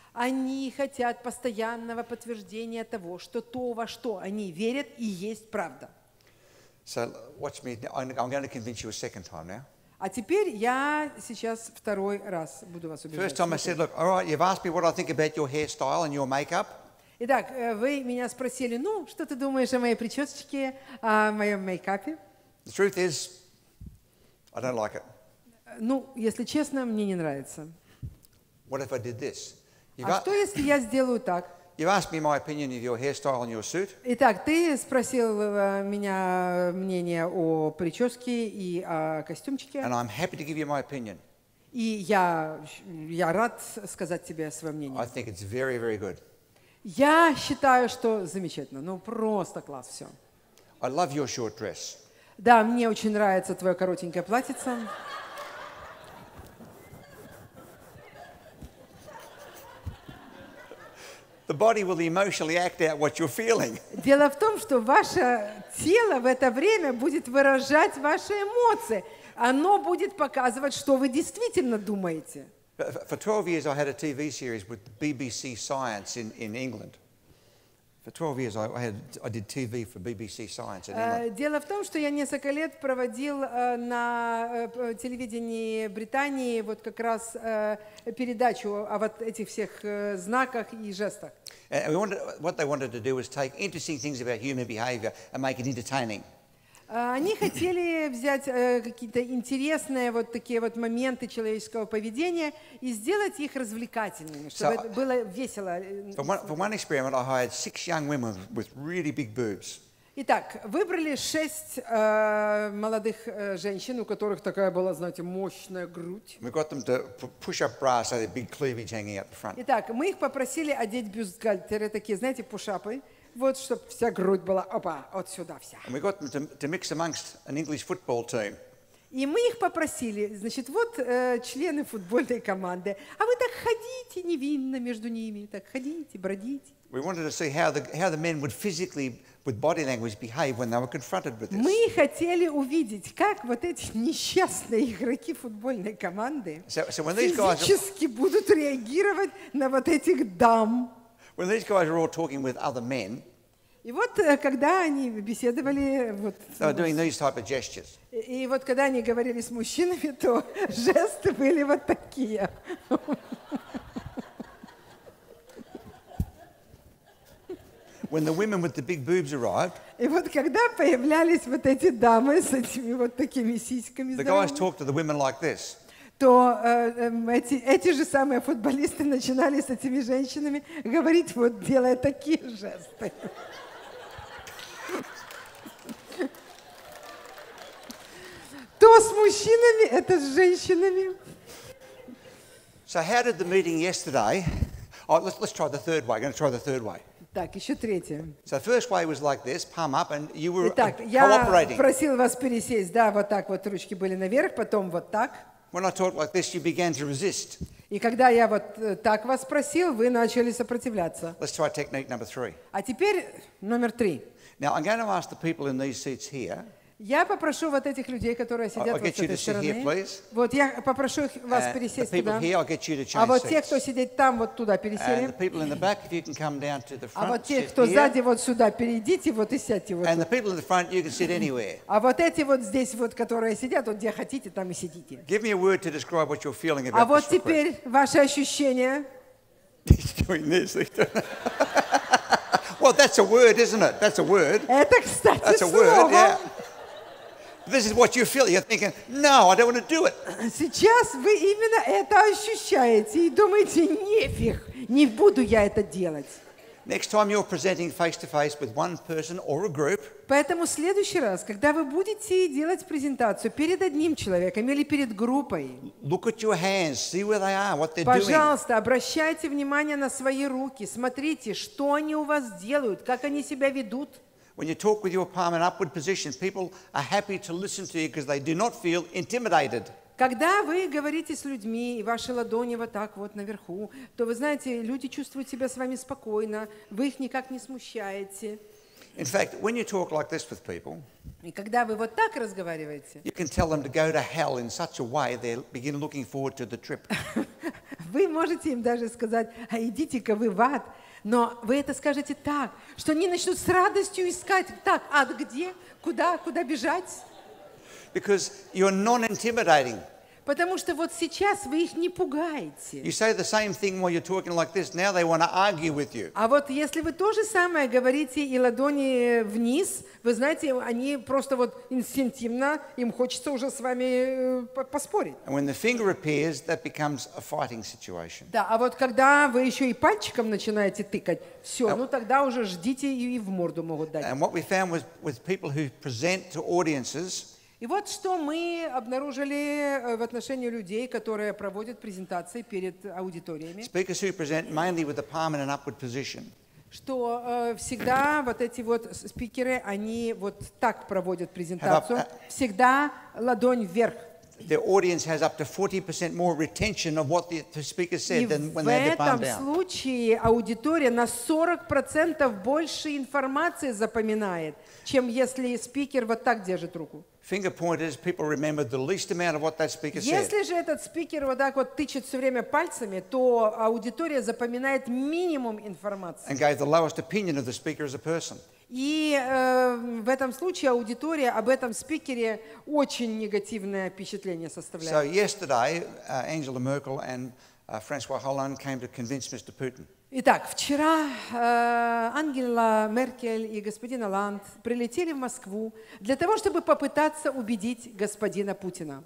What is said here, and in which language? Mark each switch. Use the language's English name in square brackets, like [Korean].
[Russian] Они хотят постоянного подтверждения того, что то, во что они верят, и есть правда. [English] So watch me. I'm going to convince you a second time now. [Russian] А теперь я сейчас второй раз буду вас убеждать. [English] First time I said, look, all right, you've asked me what I think about your hairstyle and your makeup. [Russian] Итак, вы меня спросили, ну, что ты думаешь о моей причесочке, о моем мейкапе? [English] The truth is, I don't like it. [Russian] Ну, если честно, мне не нравится. [English] What if I did this? [Russian] А что, если я сделаю так? [English] You've asked me my opinion of your hairstyle and your suit. [Russian] Итак, ты спросил меня мнение о прическе и о костюмчике. [English] And I'm happy to give you my opinion. [Russian] И я рад сказать тебе свое мнение. [English] I think it's very, very good. [Russian] Я считаю, что замечательно. Ну, просто класс, все. [English] I love your short dress. [Russian] Да, мне очень нравится твое коротенькое платьице. [English] The body will emotionally act out what you're feeling. [Russian] Дело в том, что ваше тело в это время будет выражать ваши эмоции. Оно будет показывать, что вы действительно думаете. [English] For 12 years I had a TV series with BBC Science in England. For 12 years I did TV for BBC Science at MIT. [Russian] Дело в том, что я несколько лет проводил на телевидении Британии вот как раз передачу о вот этих всех знаках и жестах. [English] What they wanted to do was take interesting things about human behavior and make it entertaining. [Russian] Они хотели взять какие-то интересные вот такие вот моменты человеческого поведения и сделать их развлекательными, чтобы so, было весело. [English] For one experiment, I hired 6 young women with really big boobs. [Russian] Итак, выбрали 6 молодых женщин, у которых такая была, знаете, мощная грудь. [English] We got them to push up bras, so they had big cleavage hanging out the front. [Russian] Итак, мы их попросили одеть бюстгальтеры, такие, знаете, пушапы. Вот, чтобы вся грудь была, опа, отсюда вся. [English] And we got them to mix amongst an English football team. [Russian] И мы их попросили, значит, вот члены футбольной команды, а вы так ходите невинно между ними, так ходите, бродите. [English] We wanted to see how the men would physically, with body language, behave when they were confronted with this. [Russian] Мы хотели увидеть, как вот эти несчастные игроки футбольной команды физически будут реагировать на вот этих дам. [English] When these guys were all talking with other men, [Russian] и вот когда они беседовали, вот, [English] they were doing these type of gestures. [Russian] И вот когда они говорили с мужчинами, то жесты были вот такие. [English] When the women with the big boobs arrived, [Russian] и вот когда появлялись вот эти дамы с этими вот такими сиськами, [English] the guys talked to the women like this. [Russian] То эти же самые футболисты начинали с этими женщинами говорить, вот делая такие жесты. То с мужчинами, это с женщинами. [English] So how did the meeting yesterday? Oh, let's try the third way. I'm going to try the third way. [Russian] Так, еще третье. [English] So first way was like this, palm up, and you were cooperating. [Russian] Итак, я просил вас пересесть, да, вот так вот ручки были наверх, потом вот так. [English] When I talked like this, you began to resist. [Russian] И когда я вот так вас спросил, вы начали сопротивляться. [English] Let's try technique number three. [Russian] А теперь номер три. [English] Now I'm going to ask the people in these seats here. [Russian] Я попрошу вот этих людей, которые сидят вот с этой стороны. [English] Here, [Russian] вот я попрошу вас пересесть туда. [English] Here, I'll get you to change [Russian] а вот [English] seats. [Russian] Те, кто сидит там, вот туда пересели. [English] The people in the back, if you can come down to the front. [Russian] А вот те, кто сзади, вот сюда перейдите, вот и сядьте вот. [English] And the people in the front, you can sit anywhere. [Russian] А вот эти вот здесь вот, которые сидят, вот где хотите, там и сидите. [English] Give me a word to describe what you're feeling about this. [Russian] А вот теперь ваши ощущения. [English] He's doing this. Well, that's a word, isn't it? That's a word. [Russian] Это, кстати, [English] that's a word, yeah. This is what you feel. You're thinking, no, I don't want to do it. [Russian] Сейчас вы именно это ощущаете и думаете, нефиг, не буду я это делать. [English] Next time you're presenting face to face with one person or a group. [Russian] Поэтому в следующий раз, когда вы будете делать презентацию перед одним человеком или перед группой. [English] Look at your hands, see where they are, what they're doing. [Russian] Пожалуйста, обращайте внимание на свои руки. Смотрите, что они у вас делают, как они себя ведут. [English] When you talk with your palm in upward position, people are happy to listen to you because they do not feel intimidated. [Russian] Когда вы говорите с людьми и ваши ладони вот так вот наверху, то вы знаете, люди чувствуют себя с вами спокойно, вы их никак не смущаете. [English] In fact, when you talk like this with people, [Russian] и когда вы вот так разговариваете, [English] you can tell them to go to hell in such a way they begin looking forward to the trip. [Russian] Вы можете им даже сказать: «А идите-ка вы в ад». Но вы это скажете так, что они начнут с радостью искать. Так, ад где? Куда? Куда бежать? Потому что вот сейчас вы их не пугаете. А вот если вы то же самое говорите и ладони вниз, вы знаете, они просто вот инстинктивно, им хочется уже с вами поспорить. [English] And when the finger appears, that becomes a fighting situation. [Russian] Да, а вот когда вы еще и пальчиком начинаете тыкать, все, ну тогда уже ждите и в морду могут дать. [English] And what we found was with people who present to audiences. [Russian] И вот что мы обнаружили в отношении людей, которые проводят презентации перед аудиториями. [English] Speakers who present mainly with the palm in an upward position. [Russian] Что всегда вот эти вот спикеры, они вот так проводят презентацию. Всегда ладонь вверх. [English] The audience has up to 40% more retention of what the speaker said than when they had their palm down. [Russian] И в этом случае аудитория на 40% больше информации запоминает, чем если спикер вот так держит руку. [English] finger pointers, people remember the least amount of what that speaker said. [Russian] Если же этот спикер вот так вот тычет все время пальцами, то аудитория запоминает минимум информации. [English] And gave the lowest opinion of the speaker as a person. [Russian] И в этом случае аудитория об этом спикере очень негативное впечатление составляет. [English] So yesterday, Angela Merkel and François Hollande came to convince Mr. Putin. [Russian] Итак, вчера Ангела Меркель и господин Оланд прилетели в Москву для того, чтобы попытаться убедить господина Путина.